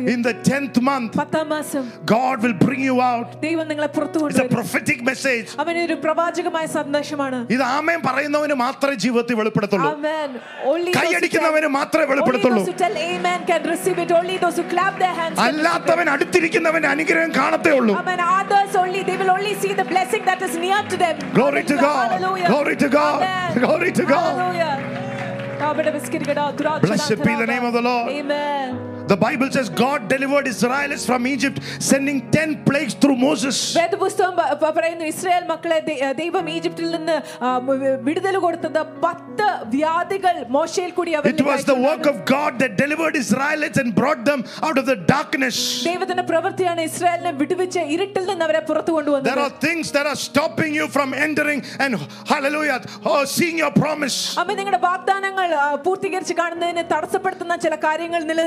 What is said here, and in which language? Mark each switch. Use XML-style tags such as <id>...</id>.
<en>In the 10th month, God will bring you out. It's a prophetic message.</en> <ml>Amen. ഒരു പ്രവാചകമായ സന്ദേശമാണ്. ഇത് ആമേൻ പറയുന്നവനെ മാത്രമേ ജീവിതത്തിൽ വെളിപ്പെടുത്തുള്ളൂ.</ml> <en>Amen.</en> <ml>കൈയടിക്കുന്നവനെ മാത്രമേ വെളിപ്പെടുത്തുള്ളൂ.</ml> <en>Only those who tell amen can receive it. Only those who clap their hands.</en> <ml>അല്ലാത്തവൻ അടുത്തിരിക്കുന്നവനെ അനുഗ്രഹം കാണത്തേ ഉള്ളൂ.</ml> <en>Amen. Others only, they will only see the blessing that is near to them. Glory to God. Hallelujah. Glory to God. Amen. Glory to God. Hallelujah. Blessed be the name of the Lord. Amen. The Bible says God delivered Israelites from Egypt, sending 10 plagues through Moses.</en> <ml>വേദ പുസ്തകം പറയുന്നു Israel മക്കളെ ദൈവം ഈജിപ്തിൽ നിന്ന് വിടുതല കൊടുത്തത 10 വ്യാധികൾ മോശയിൽ കൂടി അവരെ</ml> <en>It was the work of God that delivered Israelites and brought them out of the darkness.</en> <ml>ദൈവത്തിന്റെ പ്രവൃത്തിയാണ് ഇസ്രായേലിനെ വിടുവിച്ച് ഇരുട്ടിൽ നിന്ന് അവരെ പുറത്തു കൊണ്ടുവന്നത്.</ml> <en>There are things that are stopping you from entering and hallelujah, oh, seeing your promise.</en> <ml>അമ്മ നിങ്ങളുടെ വാഗ്ദാനം പൂർത്തീകരിച്ച് കാണുന്നതിനെ തടസ്സപ്പെടുത്തുന്ന ചില കാര്യങ്ങൾ</ml>